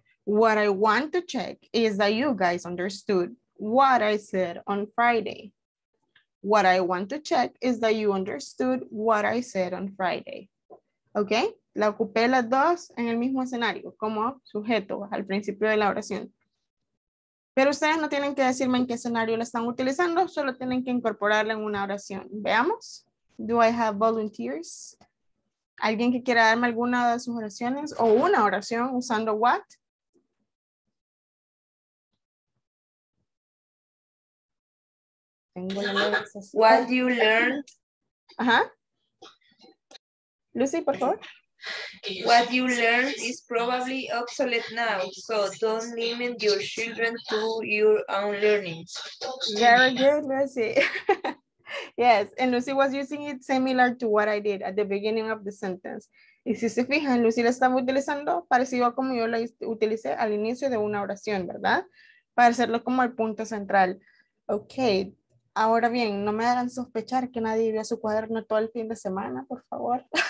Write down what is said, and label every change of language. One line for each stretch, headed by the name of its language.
English: What I want to check is that you guys understood what I said on Friday. What I want to check is that you understood what I said on Friday. Okay?
Spanish: La ocupé las 2 en el mismo escenario, como sujeto al principio de la oración. Pero ustedes no tienen que decirme en qué escenario la están utilizando, solo tienen que incorporarla en una oración. Veamos.
English: Do I have volunteers?
Spanish: ¿Alguien que quiera darme alguna de sus oraciones o una oración usando what?
English: What you learned?
Spanish: Uh-huh. Lucy, por favor.
English: What you learned is probably obsolete now, so don't limit your children to your own learning. Very good, Lucy. Yes, and Lucy was using it similar to what I did at the beginning of the sentence.
Spanish: Y si se fijan, Lucy la estaba utilizando parecido a como yo la utilicé al inicio de una oración, ¿verdad? Para hacerlo como el punto central. Okay. Ahora bien, no me hagan sospechar que nadie vio su cuaderno todo el fin de semana, por favor.